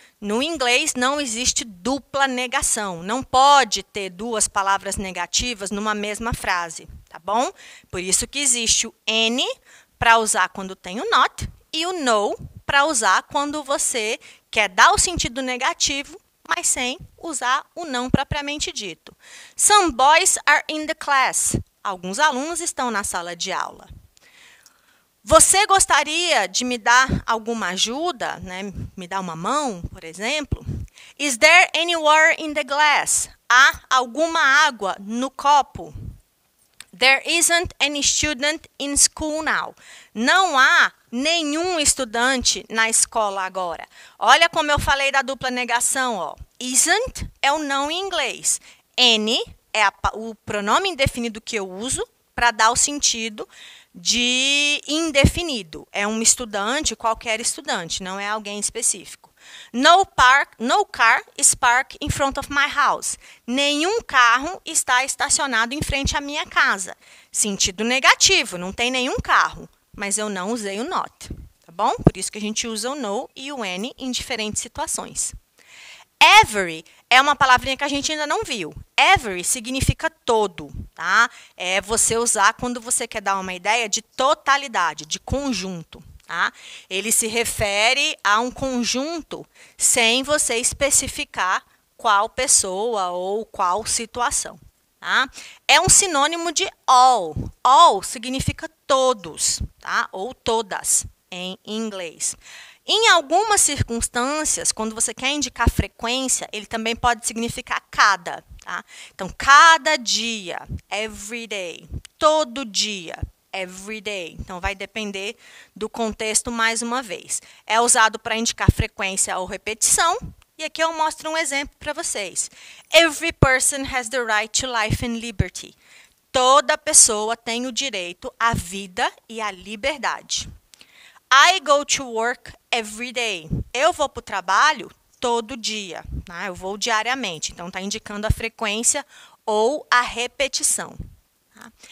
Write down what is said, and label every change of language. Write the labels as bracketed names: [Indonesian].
[Portuguese] No inglês não existe dupla negação. Não pode ter duas palavras negativas numa mesma frase, tá bom? Por isso que existe o N para usar quando tem o not e o no para usar quando você quer dar o sentido negativo, mas sem usar o não propriamente dito. [English] Some boys are in the class. [Portuguese] Alguns alunos estão na sala de aula. Você gostaria de me dar alguma ajuda, né? Me dar uma mão, por exemplo? [English] Is there any water in the glass? [Portuguese] Há alguma água no copo? [English] There isn't any student in school now. [Portuguese] Não há nenhum estudante na escola agora. Olha como eu falei da dupla negação, ó. Isn't é o não em inglês. Any é o pronome indefinido que eu uso para dar o sentido de indefinido. É um estudante, qualquer estudante, não é alguém específico. [English] No park, no car is parked in front of my house. [Portuguese] Nenhum carro está estacionado em frente à minha casa. Sentido negativo, não tem nenhum carro. Mas eu não usei o not, tá bom? Por isso que a gente usa o no e o any em diferentes situações. Every é uma palavrinha que a gente ainda não viu. Every significa todo, tá? É você usar quando você quer dar uma ideia de totalidade, de conjunto, tá? Ele se refere a um conjunto sem você especificar qual pessoa ou qual situação, tá? É um sinônimo de all. All significa todos, tá? Ou todas em inglês. Em algumas circunstâncias, quando você quer indicar frequência, ele também pode significar cada, tá? Então, cada dia, every day, todo dia, every day. Então, vai depender do contexto mais uma vez. É usado para indicar frequência ou repetição. E aqui eu mostro um exemplo para vocês. [English] Every person has the right to life and liberty. [Portuguese] Toda pessoa tem o direito à vida e à liberdade. [English] I go to work every day. [Portuguese] Eu vou para o trabalho todo dia, né? Eu vou diariamente. Então, está indicando a frequência ou a repetição, tá?